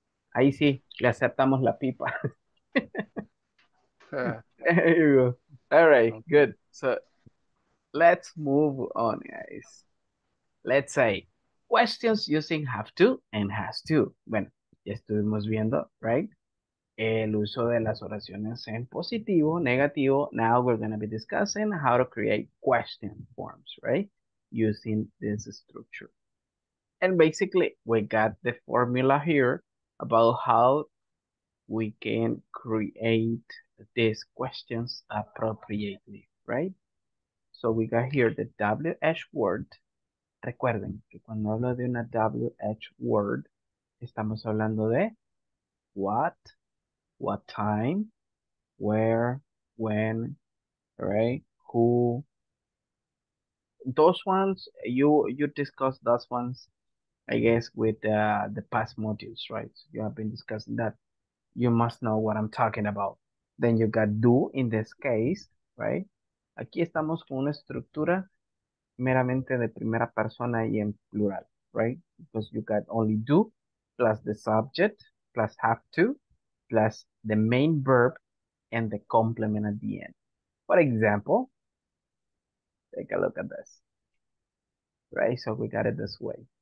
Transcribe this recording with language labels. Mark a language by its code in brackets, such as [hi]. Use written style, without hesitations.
[es] Ahí sí, le aceptamos la pipa. [en] There you go. All right, good. So, let's move on, guys. Let's say... Questions using have to and has to. [es] Bueno, ya estuvimos viendo, [en] right? [es] El uso de las oraciones en positivo, negativo. [en] Now we're going to be discussing how to create question forms, right? Using this structure. And basically, we got the formula here about how we can create these questions appropriately, right? So we got here the WH word. [es] Recuerden que cuando hablo de una WH word, estamos hablando de what time, where, when, right, who. [en] Those ones, you discussed those ones, I guess, with the past modules, right? So you have been discussing that. You must know what I'm talking about. Then you got do in this case, right? [es] Aquí estamos con una estructura meramente de primera persona y en plural, right? [en] Because you got only do plus the subject plus have to plus the main verb and the complement at the end. For example, take a look at this, right? So we got it this way.